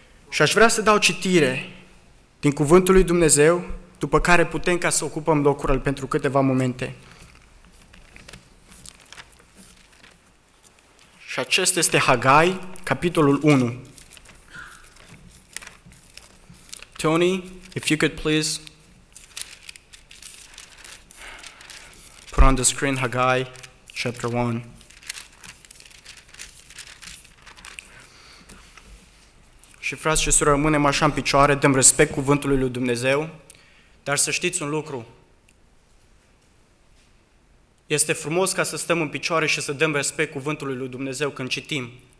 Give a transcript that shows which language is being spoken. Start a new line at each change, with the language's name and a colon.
Romanian: Și aș vrea să dau citire din cuvântul lui Dumnezeu, după care putem ca să ocupăm locurile pentru câteva momente. Și acesta este Hagai, capitolul 1.
English: Tony, if you could please put on the screen Hagai. Chapter 1.
Romanian: Și frați și surori, rămânem așa în picioare, dăm respect cuvântului lui Dumnezeu, dar să știți un lucru. Este frumos ca să stăm în picioare și să dăm respect cuvântului lui Dumnezeu când citim.